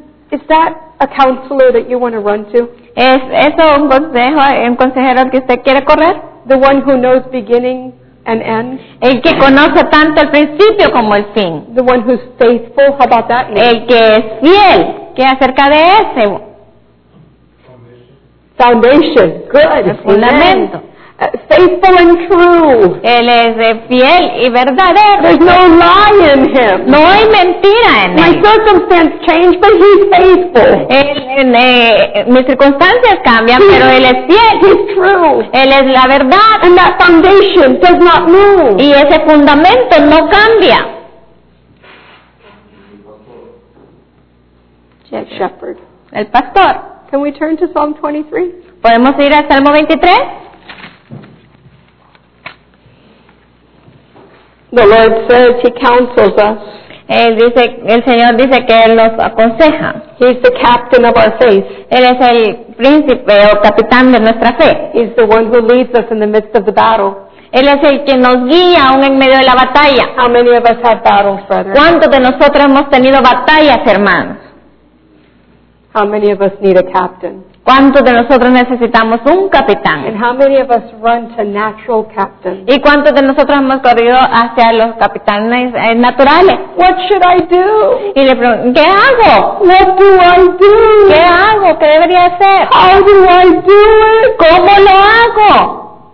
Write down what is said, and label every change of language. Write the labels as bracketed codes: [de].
[en] Is that a counselor that you want to run to? [es] ¿Es eso un consejero que usted quiere correr? [en] The one who knows beginning and end. [es] El que conoce tanto el principio como el fin. [en] The one who's faithful. How about that name? [es] El que es fiel. ¿Qué acerca de ese? [en] Foundation. Good. [es] El fundamento. [en] Faithful and true. [es] Él es fiel y verdadero. [en] There's no lie in him. [es] No hay mentira en él. [en] My circumstances change, but he's faithful. [es] Mis circunstancias cambian, pero él es fiel. [en] He's true. [es] Él es la verdad. [en] And that foundation does not move. [es] Y ese fundamento no cambia. [en] Shepherd. [es] El pastor. [en] Can we turn to Psalm 23? [es] ¿Podemos ir al Salmo 23? [en] The Lord says he counsels us. [es] Él dice, el Señor dice que él nos aconseja. [en] He's the captain of our faith. [es] Él es el príncipe o capitán de nuestra fe. [en] He's the one who leads us in the midst of the battle. [es] Él es el que nos guía aún en medio de la batalla. [en] How many of us have battles, brother? [es] ¿Cuántos de nosotros hemos tenido batallas, hermanos? [en] How many of us need a captain? [es] ¿Cuántos de nosotros necesitamos un capitán? [en] And how many of us run to natural captains? [es] ¿Y cuántos de nosotros hemos corrido hacia los capitanes naturales? [en] What should I do? [es] Y le preguntan, ¿qué hago? [en] What do I do? [es] ¿Qué hago? ¿Qué debería hacer? [en] How do I do it? [es] ¿Cómo lo hago?